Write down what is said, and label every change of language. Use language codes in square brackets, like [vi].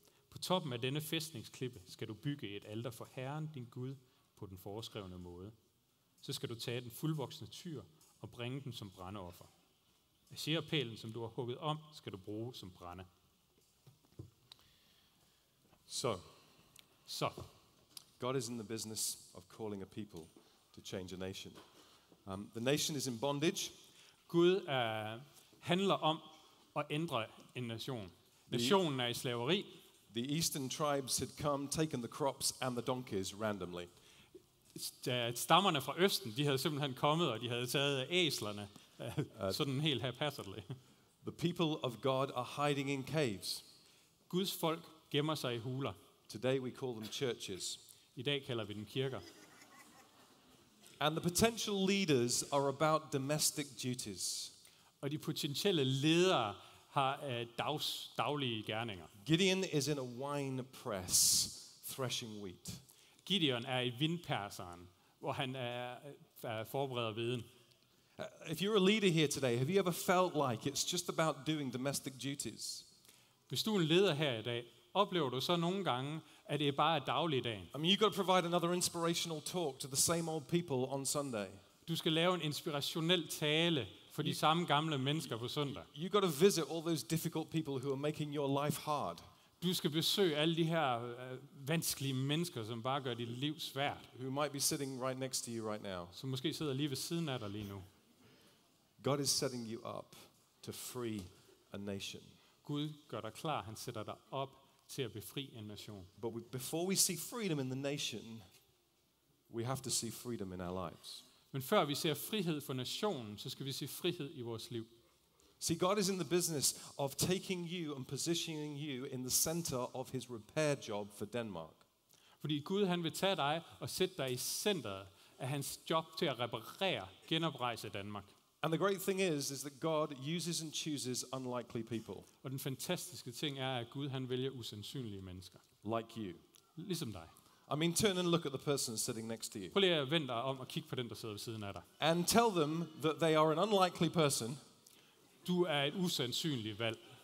[da] På toppen af denne fæstningsklippe skal du bygge et alter for Herren, din Gud, på den foreskrevne måde. Så skal du tage den fuldvoksne tyr og bringe den som brændeoffer. Asherah-pælen, som du har hugget om, skal du bruge som brænde. Så. [en] God is in the business of calling a people to change a nation. The nation is in bondage. [da] Gud handler om at ændre en nation. Nationen er i slaveri. [en] The eastern tribes had come, taken the crops and the donkeys randomly. [da] Stammerne fra østen, de havde simpelthen kommet, og de havde taget æslerne sådan helt haphazardly. [en] The people of God are hiding in caves. [da] Guds folk gemmer sig i huler. [en] Today we call them churches. [da] I dag kalder vi dem kirker. [en] And the potential leaders are about domestic duties. [da] Og de potentielle ledere har daglige gerninger. [en] Gideon is in a wine press threshing wheat. [da] Gideon er i vindperseren, hvor han forbereder hveden. [en] If you're a leader here today, have you ever felt like it's just about doing domestic duties? [da] Hvis du er en leder her i dag, oplever du så nogle gange, at det bare er dagligdagen? [en] I mean, you've got to provide another inspirational talk to the same old people on Sunday. [da] du skal lave en inspirationel tale for de samme gamle mennesker på søndag. [en] You got to visit all those difficult people who are making your life hard. [da] Du skal besøge alle de her vanskelige mennesker, som bare gør dit liv svært. [en] Who might be sitting right next to you right now. [da] Som måske sidder lige ved siden af dig lige nu. [en] God is setting you up to free a nation. [da] Gud gør dig klar, han sætter dig op til at befri en nation. [en] But before we see freedom in the nation, we have to see freedom in our lives. [da] Men før vi ser frihed for nationen, så skal vi se frihed i vores liv. [en] See, God is in the business of taking you and positioning you in the center of his repair job for Denmark. [da] Fordi Gud, han vil tage dig og sætte dig i centret af hans job til at reparere, genoprejse Danmark. [en] And the great thing is that God uses and chooses unlikely people. [da] Og den fantastiske ting er, at Gud, han vælger usandsynlige mennesker. [en] Like you. [da] Ligesom dig. [en] I mean, turn and look at the person sitting next to you. [da] Prøv lige at vende dig om og kigge på den, der sidder ved siden af dig. [en] And tell them that they are an unlikely person. [da] Du er et usandsynligt valg.